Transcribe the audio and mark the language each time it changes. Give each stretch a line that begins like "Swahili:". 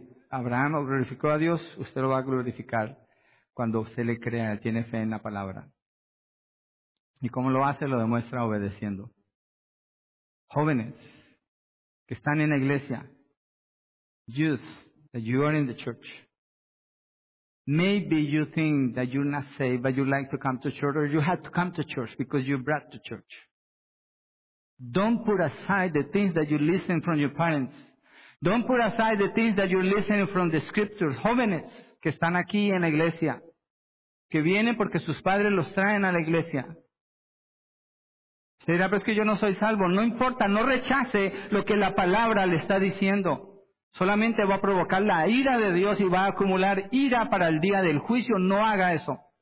Spanish: Abraham glorificó a Dios, usted lo va a glorificar cuando usted le crea, tiene fe en la palabra. ¿Y cómo lo hace? Lo demuestra obedeciendo. Jóvenes que están en la iglesia,
English: youth, that you are in the church, maybe you think that you're not saved, but you like to come to church, or you have to come to church because you're brought to church. Don't put aside the things that you listen from your parents. Don't put aside the things that you're listening from the scriptures.
Spanish: Jóvenes que están aquí en la iglesia, que vienen porque sus padres los traen a la iglesia. Se dirá, pero es que yo no soy salvo. No importa, no rechace lo que la palabra le está diciendo. Solamente va a provocar la ira de Dios y va a acumular ira para el día del juicio. No haga eso.